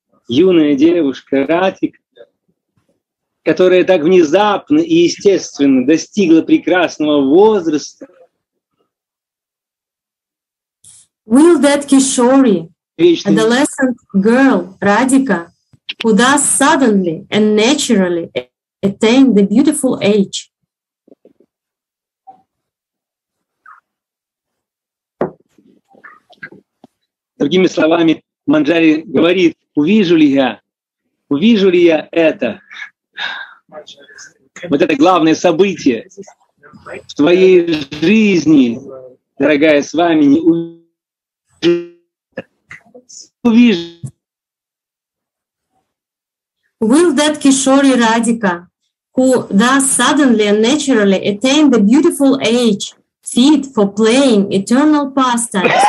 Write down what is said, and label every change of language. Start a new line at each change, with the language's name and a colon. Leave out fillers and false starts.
Russian: Юная девушка Ратик, которая так внезапно и естественно достигла прекрасного возраста.
English: Will that Kishori, adolescent girl, Radhika, who does suddenly and naturally attain the beautiful age?
Russian: Другими словами, Манджари говорит, увижу ли я это, вот это главное событие в твоей жизни, дорогая Свамини, увижу.
English: Will that Kishori Radhika, who thus suddenly and naturally attain the beautiful age fit for playing eternal pastimes.